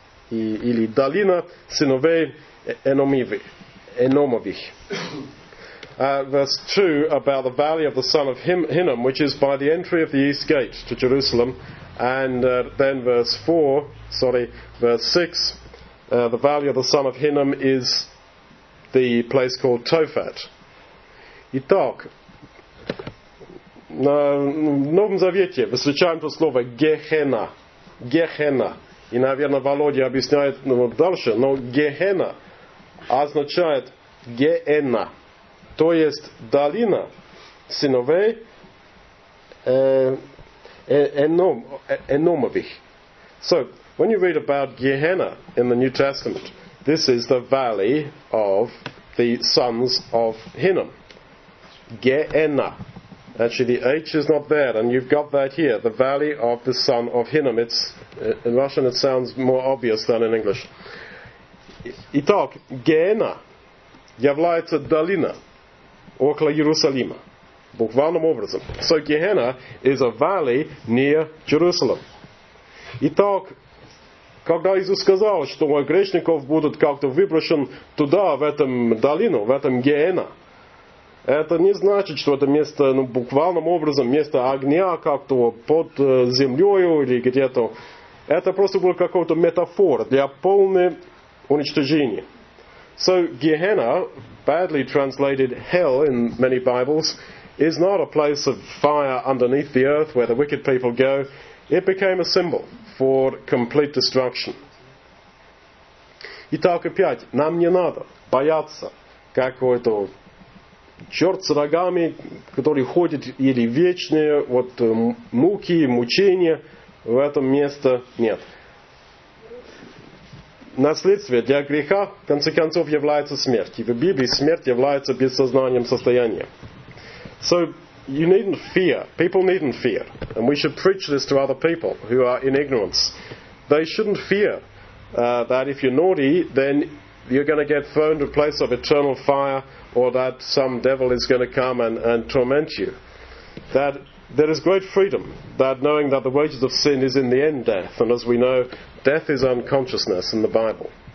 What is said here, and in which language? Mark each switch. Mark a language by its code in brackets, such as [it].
[ru] или долина сыновей Эномовых. [en] Verse 2 about the valley of the son of Hinnom, which is by the entry of the east gate to Jerusalem. And then verse 6, the valley of the son of Hinnom is the place called Tophat. [ru] Итак, на Новом Завете встречаем то слово Гехена. Гехена. И, наверное, Володя объясняет дальше, но Гехена означает Геэна. То есть долина сыновей Эномовых. [en] So, when you read about Gehenna in the New Testament, this is the valley of the sons of Hinnom. Gehenna. Actually, the H is not there, and you've got that here, the valley of the son of Hinnom. It's, in Russian it sounds more obvious than in English. [ru] Итак, Gehenna является долина около Иерусалима, буквальным образом. [en] So Gehenna is a valley near Jerusalem. [ru] Итак, когда Иисус сказал, что грешников будут как-то выброшен туда, в этом долину, в этом Gehenna, это не значит, что это место, ну, буквальным образом, место огня как-то под землей или где-то. Это просто был какой-то метафор для полной уничтожения. [en] So Gehenna, badly translated hell in many Bibles, is not a place of fire underneath the earth where the wicked people go. It became a symbol for complete destruction. [ru] Итак, опять, нам не надо бояться какого-то черт с рогами, который ходит, или вечные вот муки, мучения в этом месте. Нет. Наследствие для греха, в конце концов, является смерть. И в Библии смерть является бессознанием состоянием. [en] So, you needn't fear. People needn't fear. And we should preach this to other people who are in ignorance. They shouldn't fear that if you're naughty, then you're going to get thrown to a place of eternal fire, or that some devil is going to come and torment you. That there is great freedom, that knowing that the wages of sin is in the end death, and as we know, death is unconsciousness in the Bible.